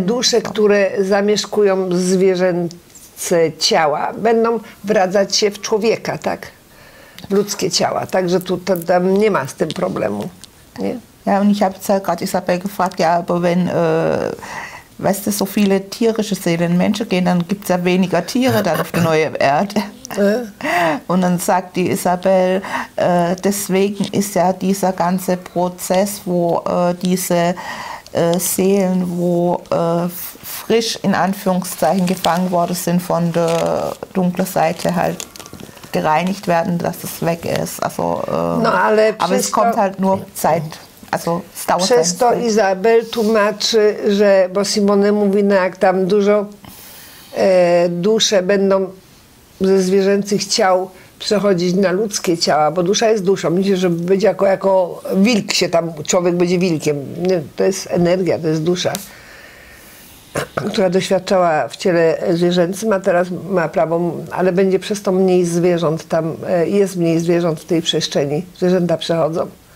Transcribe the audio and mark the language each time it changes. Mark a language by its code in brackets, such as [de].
[pl] dusze, które zamieszkują zwierzęce ciała, będą wracać się w człowieka, tak? W ludzkie ciała, także tu tam nie ma z tym problemu, nie? [de] Ja, und ich habe gerade Isabel gefragt, ja, aber wenn weißt du, so viele tierische Seelen, Menschen gehen, dann gibt es ja weniger Tiere dann auf der neuen Erde. Und dann sagt die Isabel, deswegen ist ja dieser ganze Prozess, wo diese Seelen, wo frisch in Anführungszeichen gefangen worden sind, von der dunklen Seite halt gereinigt werden, dass es weg ist. Also, aber es kommt halt nur Zeit. Also, [pl] przez to Izabel tłumaczy, że, bo Simone mówi, no jak tam dużo dusze będą ze zwierzęcych ciał przechodzić na ludzkie ciała, bo dusza jest duszą, myślę, że będzie jako wilk się tam, człowiek będzie wilkiem, nie, to jest energia, to jest dusza, która doświadczała w ciele zwierzęcym, a teraz ma prawo, ale będzie przez to mniej zwierząt tam, jest mniej zwierząt w tej przestrzeni, zwierzęta przechodzą.